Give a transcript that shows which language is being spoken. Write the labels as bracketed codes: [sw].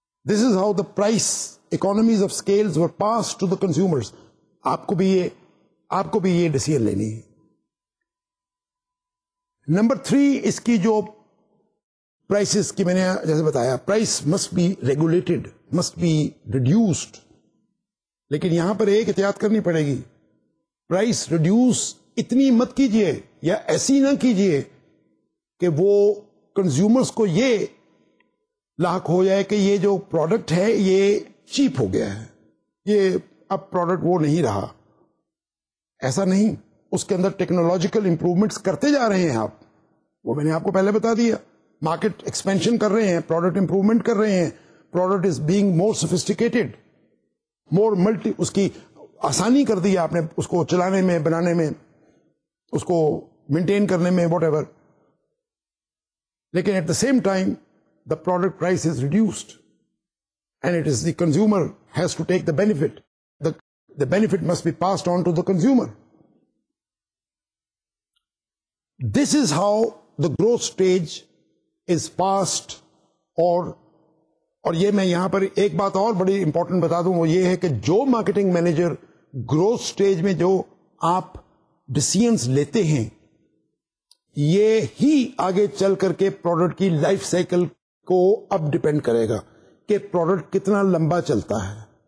[en] This is how the price economies of scales were passed to the consumers. [ur] آپ کو بھی یہ decision لینی ہے. نمبر تھری, اس کی جو پرائسز کی میں نے جیسے بتایا, [en] Price must be regulated, must be reduced. [ur] لیکن یہاں پر ایک احتیاط کرنی پڑے گی، پرائس ریڈیوس اتنی مت کیجئے یا ایسی نہ کیجئے کہ وہ کنزیومرز کو یہ لاحق ہو جائے کہ یہ جو پروڈکٹ ہے یہ چیپ ہو گیا ہے، یہ اب پروڈکٹ وہ نہیں رہا. ایسا نہیں، اس کے اندر ٹیکنالوجیکل امپروومنٹس کرتے جا رہے ہیں آپ، وہ میں نے آپ کو پہلے بتا دیا، مارکیٹ ایکسپینشن کر رہے ہیں، پروڈکٹ امپروومنٹ کر رہے ہیں، [en] product is being more sophisticated, [ur] more multi, اس کی آسانی کر دی آپ نے اس کو چلانے میں، بنانے میں، اس کو مینٹین کرنے میں، واٹ ایور. [en] لیکن at the same time the product price is reduced and it is the consumer has to take the benefit, the benefit must be passed on to the consumer. This is how the growth stage is passed. [ur] اور یہ میں یہاں پر ایک بات اور بڑی important بتا دوں، وہ یہ ہے کہ جو مارکیٹنگ مینیجر گروتھ اسٹیج میں جو آپ ڈیسیژنس لیتے ہیں، یہ ہی آگے چل کر کے پروڈکٹ کی لائف سائیکل کو اب ڈیپینڈ کرے گا کہ پروڈکٹ کتنا لمبا چلتا ہے.